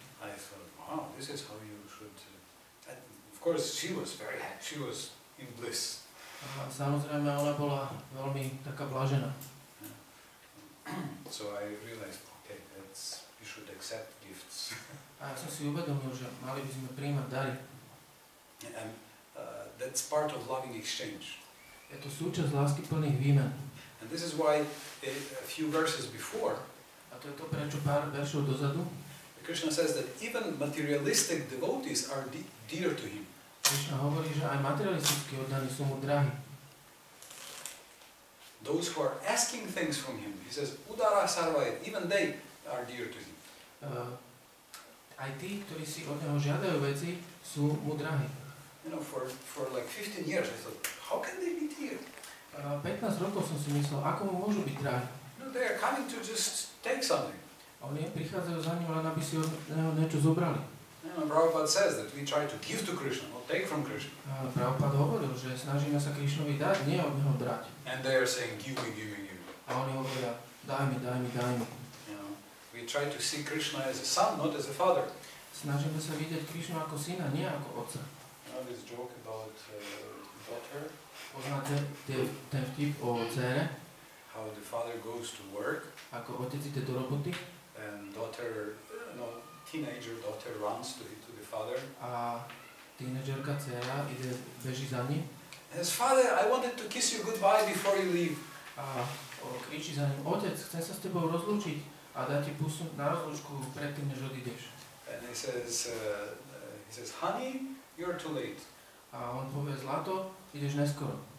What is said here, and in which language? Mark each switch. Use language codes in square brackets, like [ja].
[en] I thought, wow, this is how you should... Of course, she was very happy. She was in bliss. [sk] Samozrejme, ona bola veľmi taká blažená. [en] So I realized, okay, that's, you should accept gifts. [sk] A ja som si uvedomil, že mali by sme prijímať dary. [en] And that's part of loving exchange. [sk] Je to súčasť lásky plných výmen. [en] And this is why a few verses before. [sk] A to je to, prečo pár veršov dozadu. [en] Krishna says that even materialistic devotees are dear to him. [sk] Krishna hovorí, že aj materialistickí oddaní sú mu drahí. [en] Those who are asking things from him, he says, [sa] udara sarvaya, [en] even they are dear to him. [sk] Aj tí, ktorí si od neho žiadajú veci, sú mu drahí. [en] You know, for like 15 years, I thought, how can they be dear? [sk] 15 rokov som si myslel, ako mu môžu byť drahí? [en] No, they are coming to just take something. [sk] Oni prichádzajú za ním, len aby si od neho niečo zobrali. [en] No, Prabhupada says that we try to give to Krishna, not take from Krishna. [sk] Ale Prabhupada hovoril, že snažíme sa Krishnovi dať, nie od neho brať. [en] And they are saying, give me. [sk] A oni hovoria, daj mi. [en] You know, we try to see Krishna as a son, not as a father. [sk] Snažíme sa vidieť Krishnu ako syna, nie ako otca. [en] You know, this joke about daughter. [sk] Poznáte ten vtip o dcere? [en] How the father goes to work. [sk] Ako otec ide do roboty. [en] And daughter, no, teenager daughter runs to the father. [sk] A teenagerka dcera ide, beží za ním. [en] His father, I wanted to kiss you goodbye before you leave. [sk] A kričí za ním, otec, chcem sa s tebou rozlúčiť a dá ti pusu na rozlúčku predtým, než odídeš. [en] And he says, honey, you're too late. [sk] A on povie, zlato, ideš neskoro.